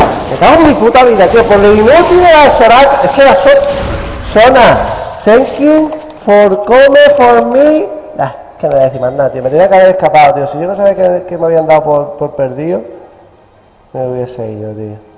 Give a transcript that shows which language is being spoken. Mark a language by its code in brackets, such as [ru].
[es] Me cago en mi puta vida, tío, por el inútil de la Sorak, es que la Sorak. [en] Sona, thank you for coming for me. [es] Ah, que no voy a decir más nada, tío. Me tenía que haber escapado, tío. Si yo no sabía que me habían dado por perdido, me hubiese ido, tío.